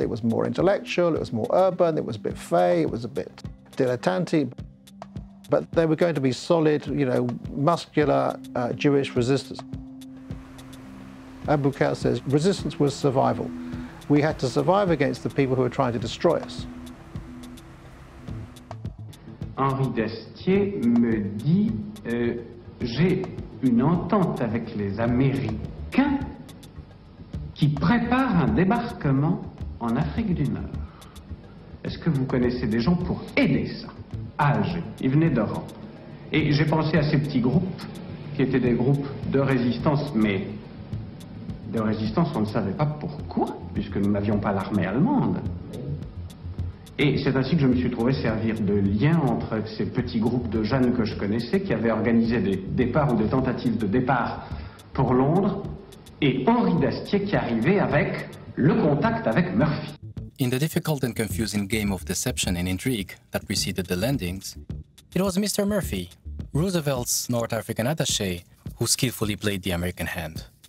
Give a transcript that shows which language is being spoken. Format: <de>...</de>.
<en>It was more intellectual, it was more urban, it was a bit fey, it was a bit dilettante. But they were going to be solid, you know, muscular Jewish resistors. Abu Khair says, resistance was survival. We had to survive against the people who were trying to destroy us.</en> <fr>Henri Destier me dit, j'ai une entente avec les Américains qui préparent un débarquement en Afrique du Nord. Est-ce que vous connaissez des gens pour aider ça? Alger, ils venaient d'Europe. Et j'ai pensé à ces petits groupes qui étaient des groupes de résistance, mais de résistance, on ne savait pas pourquoi, puisque nous n'avions pas l'armée allemande. Et c'est ainsi que je me suis trouvé servir de lien entre ces petits groupes de jeunes que je connaissais, qui avaient organisé des départs ou des tentatives de départ pour Londres, et Henri d'Astier qui arrivait avec le contact avec Murphy.</fr> <en>In the difficult and confusing game of deception and intrigue that preceded the landings, it was Mr. Murphy, Roosevelt's North African attaché, who skillfully played the American hand.</en>